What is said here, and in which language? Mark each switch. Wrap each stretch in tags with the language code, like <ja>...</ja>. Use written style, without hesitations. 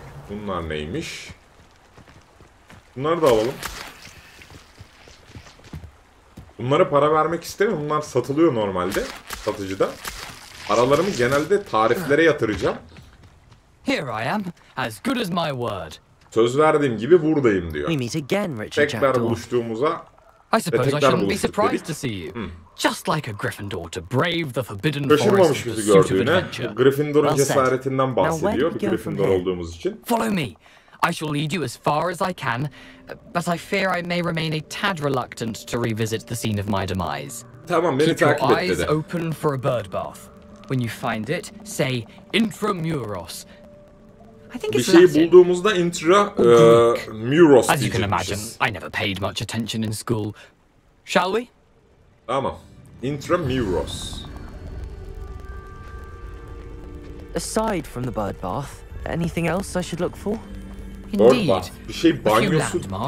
<tr>Bunlar neymiş? Bunları da alalım. Bunlara para vermek istemiyorum. Bunlar satılıyor normalde satıcıda. Paralarımı genelde tariflere yatıracağım.</tr> <en>Here I am, as good as my word.</en> <tr>Söz verdiğim gibi buradayım diyor.</tr> <en>We meet again, Richard.</en> <tr>Tekrar buluştuğumuza.</tr> <en>I suppose I shouldn't be surprised to see you. Just like a Gryffindor to brave the forbidden forest.</en> <tr>Kaşırmamış bizi gördüğüne. Gryffindor'un cesaretinden bahsediyor. Bir Gryffindor olduğumuz için.</tr> <en>Follow me. I shall lead you as far as I can, but I fear I may remain a tad reluctant to revisit the scene of my demise.</en> <tr>Tamam, beni takip et dedi.</tr> <en>Keep your eyes open for a bird bath. When you find it, say intramuros. I think it's Latin.</en> <tr>Bir şeyi bulduğumuzda intramuros diyeceğiz.</tr> <en>As you can imagine, I never paid much attention in school. Shall we?</en> <tr>Tamam. Intramuros.</tr> <en>Aside from the bird bath, anything else I should look for? Indeed.</en> <tr>Bir şey banyosu</tr>